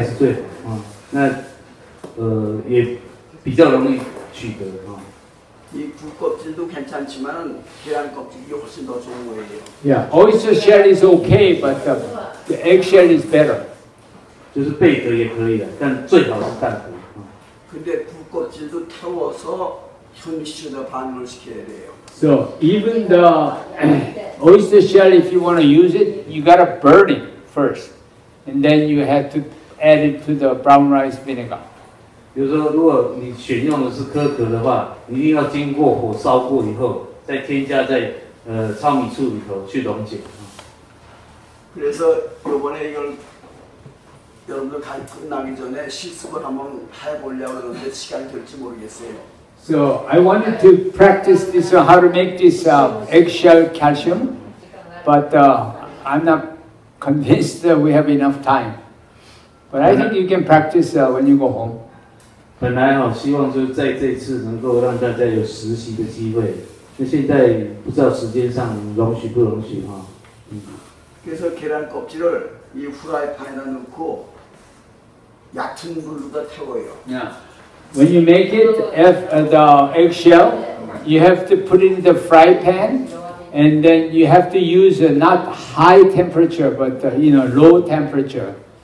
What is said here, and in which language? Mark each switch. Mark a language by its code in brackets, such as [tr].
[en] Yeah, oyster shell is okay, but the egg shell is better. [zh] 就是贝壳也可以的，但最好是蛋壳。 [en] So even the oyster shell, if you want to use it, you gotta burn it first, and then you have to add it to the brown rice vinegar. [zh] 比如说，如果你选用的是壳壳的话，你一定要经过火烧过以后，再添加在糙米醋里头去溶解。 [ko] 그래서 이번에 이걸 여러분들 간 끝나기 전에 실습을 한번 해보려고 하는데 시간이 될지 모르겠어요. [en] So I wanted to practice this, how to make this eggshell calcium, but I'm not convinced that we have enough time. But I think you can practice when you go home. [zh] 本来希望就是在这次能够让大家有实习的机会, 现在不知道时间上容许不容许。 [ko] 그래서 계란 껍질을 이 후라이팬에 넣고 얕은 불로다 태워요. [en] Yeah. When you make it, the eggshell, you have to put it in the fry pan, and then you have to use not high temperature, but you know, low temperature.